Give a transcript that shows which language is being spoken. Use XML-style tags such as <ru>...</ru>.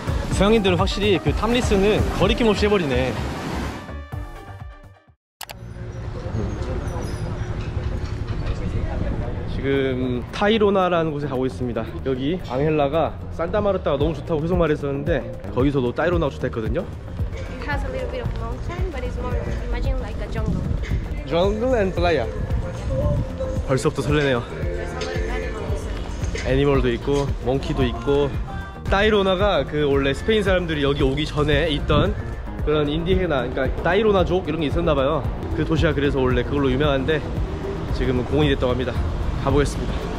<ko>서양인들은 확실히 그 탑리스는 거리낌 없이 해버리네. 지금 타이로나라는 곳에 가고 있습니다. 여기 앙헬라가 산타마르타가 너무 좋다고 계속 말했었는데 거기서도 타이로나가 좋댔거든요.</ko> <en>It has a little bit of mountain, but it's more imagine like a jungle. Jungle and playa.</en> <ko>벌써부터 설레네요. 애니멀도 있고 몽키도 있고. 타이로나가 그 원래 스페인 사람들이 여기 오기 전에 있던 그런 인디헤나, 그러니까 타이로나족 이런 게 있었나 봐요. 그 도시가 그래서 원래 그걸로 유명한데 지금은 공원이 됐다고 합니다. 가보겠습니다.</ko>